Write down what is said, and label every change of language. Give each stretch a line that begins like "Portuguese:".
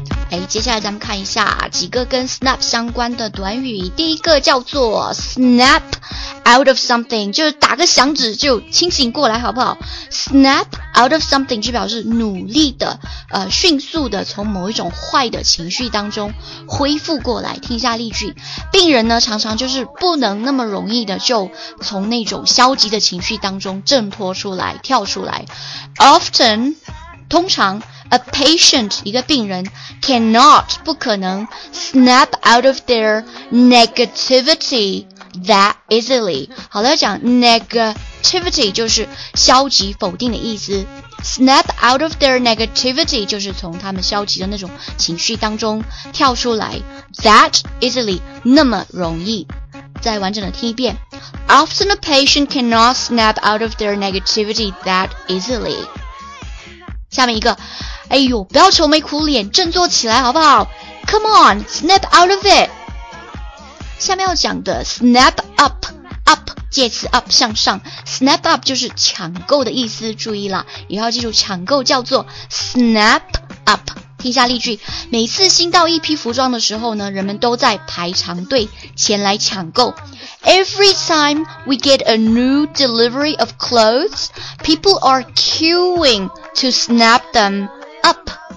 Chinese: 哎，接下来咱们看一下几个跟 snap 相关的短语第一个叫做 snapout of something 就是打个响指就清醒过来好不好 snap out of something 就表示努力的迅速的从某一种坏的情绪当中恢复过来听一下例句病人呢常常就是不能那么容易的就从那种消极的情绪当中挣脱出来跳出来 often 通常
English: A patient,
Chinese: 一个病人
English: cannot,
Chinese: 不可能
English: snap out of their negativity that easily.
Chinese: 好了，要讲 negativity 就是消极否定的意思。
English: Snap out of their negativity
Chinese: 就是从他们消极的那种情绪当中跳出来 that easily 那么容易。再完整的听一遍
English: Often a patient cannot snap out of their negativity that easily.
Chinese: 下面一个，哎呦，不要愁眉苦脸，振作起来好不好？
English: Come on, snap out of it.
Chinese: 下面要讲的 snap up, up介词 up 向上 snap up 就是抢购的意思，注意啦，以后要记住抢购叫做 snap up。听一下例句，每次新到一批服装的时候呢，人们都在排长队前来抢购。
English: Every time we get a new delivery of clothes, people are queuing to snap them up.